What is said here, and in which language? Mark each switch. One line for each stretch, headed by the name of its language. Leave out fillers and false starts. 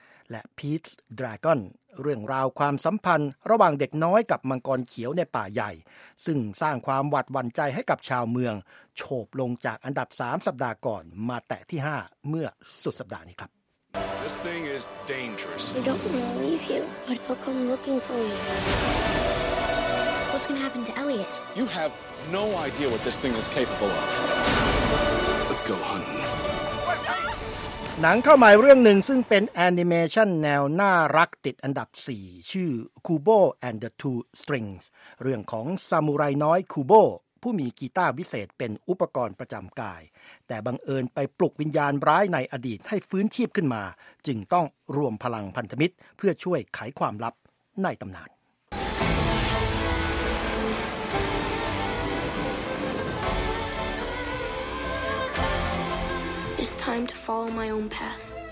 Thai: และ Pete's Dragon เรื่องราวความสัมพันธ์ระหว่างเด็กน้อยกับมังกรเขียวในป่าใหญ่ซึ่งสร้างความหวาดหวั่นใจให้กับชาวเมืองโฉบลงจากอันดับ3สัปดาห์ก่อนมาแตะที่5เมื่อสุดสัปดาห์นี้ครับ
English: This thing is dangerous. We don't want to leave you, but they'll come looking for you. What's going to happen to Elliot? You have no idea what this thing is capable of. Let's go hunting.
Thai: หนังเข้าใหม่เรื่องหนึ่งซึ่งเป็นแอนิเมชันแนวน่ารักติดอันดับ4ชื่อ Kubo and the Two Strings เรื่องของซามูไรน้อย Kubo ผู้มีกีตาร์วิเศษเป็นอุปกรณ์ประจำกาย แต่บังเอิญไปปลุกวิญญาณร้ายในอดีตให้ฟื้นชีพขึ้นมาจึงต้องรวมพลังพันธมิตรเพื่อช่วยไขความลับในตำนาน
English: It's time to follow my own path.